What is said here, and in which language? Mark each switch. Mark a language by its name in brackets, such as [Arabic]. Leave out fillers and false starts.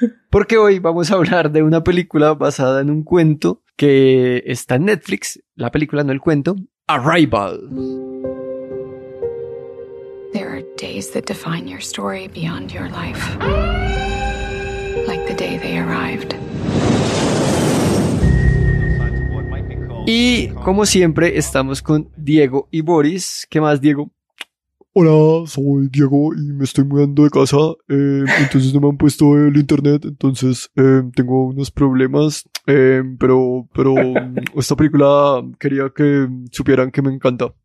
[Spanish] Porque hoy vamos a hablar de una película basada en un cuento que está en Netflix, la película, no el cuento, Arrival. [English] There are days that define your story beyond your life. Like the day they arrived. [Spanish] Y como siempre estamos con Diego y Boris. ¿Qué más, Diego? Hola, soy Diego y me estoy mudando de casa. Entonces no me han puesto el internet, entonces tengo unos problemas. Pero esta película quería que supieran que me encanta.